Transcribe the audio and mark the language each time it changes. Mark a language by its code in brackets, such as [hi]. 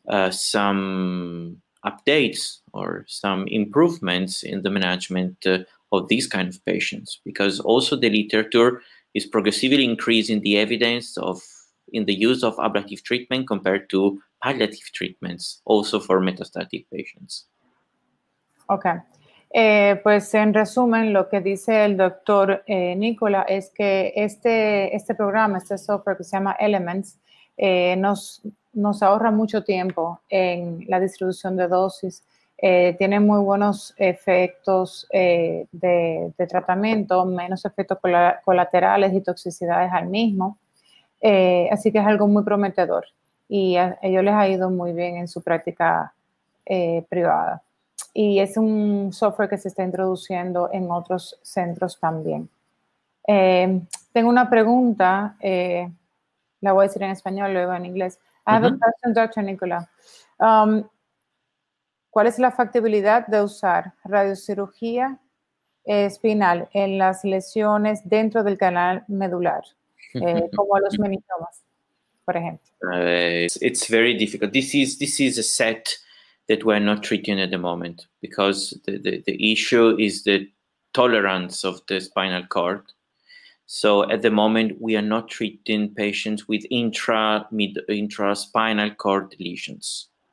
[en] some updates or some improvements in the management of these kind of patients, because also the literature is progressively increasing the evidence of in the use of ablative treatment compared to palliative treatments, also for metastatic patients. Okay. [es] Pues en resumen, lo que dice el doctor Nicolás es que este programa, este software que se llama Elements, nos ahorra mucho tiempo en la distribución de dosis. Tiene muy buenos efectos de tratamiento, menos efectos colaterales y toxicidades al mismo. Así que es algo muy prometedor y a ellos les ha ido muy bien en su práctica privada. Y es un software que se está introduciendo en otros centros también. Tengo una pregunta, la voy a decir en español, luego en inglés. [en] I have a question, Dr. Nicolás. [es] ¿Cuál es la factibilidad de usar radiocirugía espinal en las lesiones dentro del canal medular, como los meningiomas, por ejemplo? [en] It's very difficult. This is a set that we're not treating at the moment because the issue is the tolerance of the spinal cord. So at the moment, we are not treating patients with intraspinal cord lesions.